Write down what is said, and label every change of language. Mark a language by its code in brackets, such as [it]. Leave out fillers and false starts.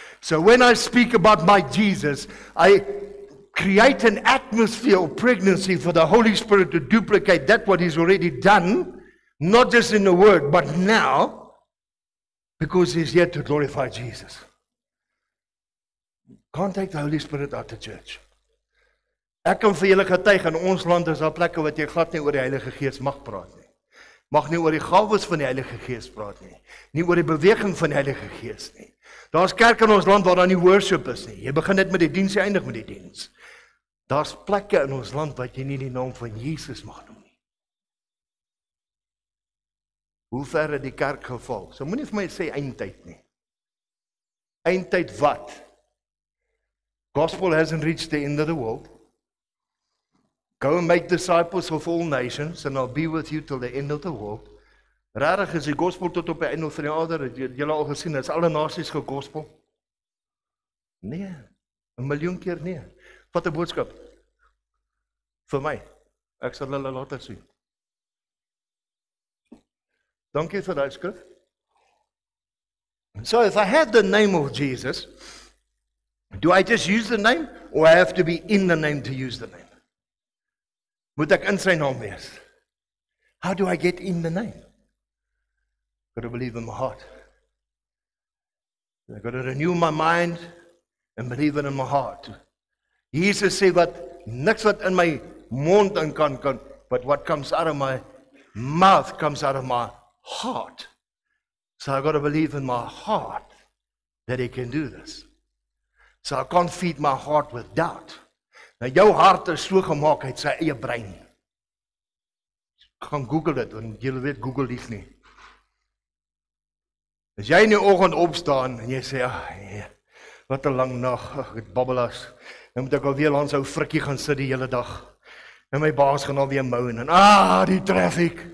[en] So when I speak about my Jesus, I create an atmosphere of pregnancy for the Holy Spirit to duplicate that what he's already done, not just in the word, but now, because he's yet to glorify Jesus. Can't take the Holy Spirit out of the church. [af] Ek kan vir julle getuig, in ons land is daar plekke wat jy glad nie oor die Heilige Gees mag praat nie. Mag nie oor die gawes van die Heilige Gees praat nie. Nie oor die beweging van die Heilige Gees nie. Daar is kerk in ons land waar daar nie worship is nie. Jy begin net met die diens, jy eindig met die diens. Daar is plekke in ons land wat jy nie die naam van Jesus mag noem nie. Hoe ver het die kerk geval? So moet nie vir my sê eindtijd nie. Eindtijd wat? [en] Gospel hasn't reached the end of the world. Go and make disciples of all nations, and I'll be with you till the end of the world. [af] Rarig is die gospel tot op die einde van die aarde. Het julle al gesien, is alle nasies gegospel? Nee, 1 miljoen keer nee. Wat 'n boodskap. Vir my, ek sal hulle later sien. Dankie vir die skrif. [en] So if I have the name of Jesus, do I just use the name, or I have to be in the name to use the name? [af] Moet ek in sy naam wees? [en] How do I get in the name? Got to believe in my heart. I got to renew my mind and believe it in my heart. [af] Jesus sê wat niks wat in my mond in kan, [en] but what comes out of my mouth comes out of my heart. So I got to believe in my heart that he can do this. So I can't feed my heart with doubt. [af] Nou jou hart is so gemaak uit sy eie brein. Gaan Google dit, want jy weet Google lief nie. As jy in die oggend opstaan en jy sê, ah, wat 'n lang nag, ek het babbelas, nou moet ek alweer langs ou frikkie gaan sit die hele dag, en my baas gaan alweer mou en, die traffic.